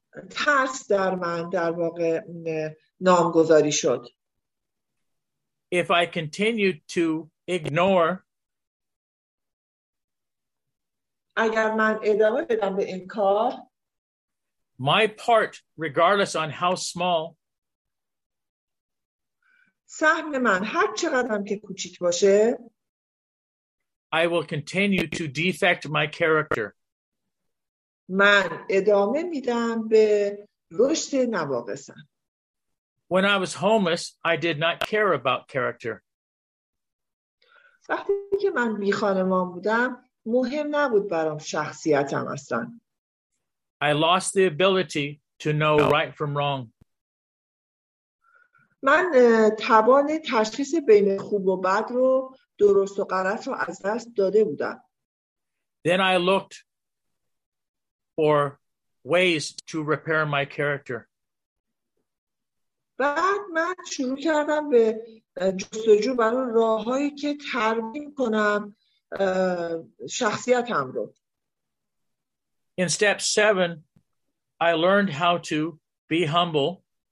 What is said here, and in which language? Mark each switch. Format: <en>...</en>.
<fa>ترس در من در واقع نامگذاری شد.</fa> <en>If I continued to ignore,</en> <fa>اگر من ادامه بدم به این کار,</fa> <en>my part, regardless on how small,</en> <fa>سهم من هر چقدرم که کوچیک باشه,</fa> <en>I will continue to defect my character.</en> <fa>من ادامه میدم به رشد نواقصم.</fa> <en>When I was homeless, I did not care about character.</en> <fa>وقتی که من بی‌خانمان بودم, مهم نبود برام شخصیتم اصلا.</fa> <en>I lost the ability to know right from wrong.</en> <fa>من توان تشخیص بین خوب و بد رو, درست و غلط رو از دست داده بودم.</fa> <en>Then I looked for ways to repair my character.</en> <fa>بعد من شروع کردم به جستجو برای راه‌هایی که ترمیم کنم شخصیتم رو.</fa> <en>In step 7, I learned how to be humble.</en>